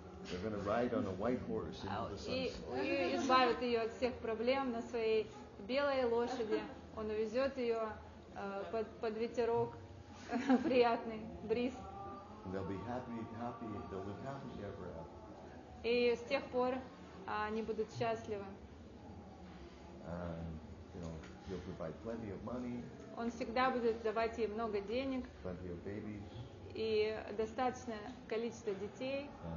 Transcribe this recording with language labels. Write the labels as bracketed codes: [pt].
[en] They're gonna ride on a white horse into the sunset. [ru] И избавит ее от всех проблем на своей белой лошади. Он увезет ее под ветерок, приятный бриз. [en] They'll be happy, they'll live happily ever after. [ru] И с тех пор они будут счастливы. [en] And, you know, he'll provide plenty of money. [ru] Он всегда будет давать ей много денег. [en] Plenty of babies. [ru] И достаточное количество детей.